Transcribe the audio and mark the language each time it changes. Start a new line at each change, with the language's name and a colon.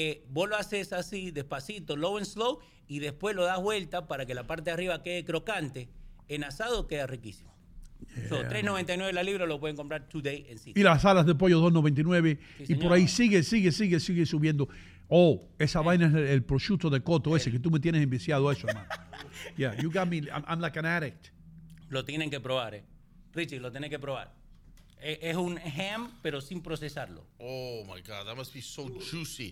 Spanish: Vos lo haces así, despacito,
English: low and slow,
Spanish: y después lo das vuelta para que la parte de arriba quede crocante. En asado queda riquísimo. Yeah, so, $3.99 la libra, lo pueden comprar today en City. Y las alas de pollo $2.99. Sí, y por ahí sigue subiendo. Oh, esa vaina es el prosciutto de coto ese que tú me tienes enviciado a eso, hermano.
English: Yeah, you got me, I'm like an addict.
Spanish: Lo tienen que probar, Richie, lo tienen que probar. Es un ham, pero sin procesarlo.
English: Oh, my God, that must be so juicy.